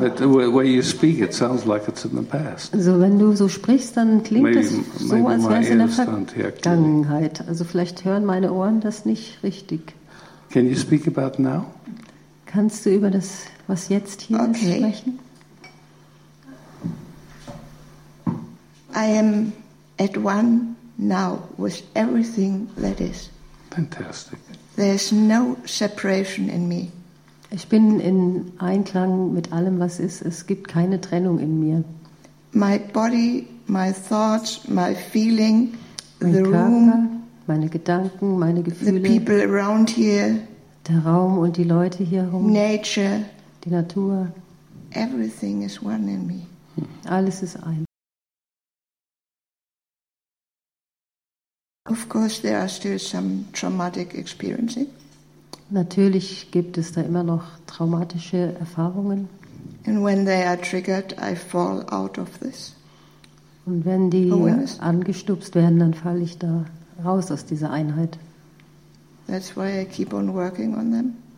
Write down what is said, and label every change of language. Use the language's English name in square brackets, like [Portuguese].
[English] But the way you speak, it sounds like it's in the past. [German] Also wenn du so sprichst, dann klingt es so, als wäre es in der Vergangenheit. Also vielleicht hören meine Ohren das nicht richtig. [English] Can you speak about now? [German] Kannst du über das, was jetzt hier ist, sprechen? [English] I am at one now with everything that is. Fantastic. There's no separation in me. [German] Ich bin in Einklang mit allem, was ist. Es gibt keine Trennung in mir. [English] My body, my thoughts, my feeling, [German] mein [English] the [German] Körper, [English] room, [German] meine Gedanken, meine Gefühle, [English] the people around here, [German] der Raum und die Leute hier rum, [English] nature, [German] die Natur, [English] everything is one in me. [German] Alles ist eins. [English] Of course, there are still some traumatic experiences. [German] Natürlich gibt es da immer noch traumatische Erfahrungen. [English] And when they are triggered, I fall out of this. [German] Und wenn die angestupst werden, dann falle ich da raus aus dieser Einheit. [English] That's why I keep on working on them.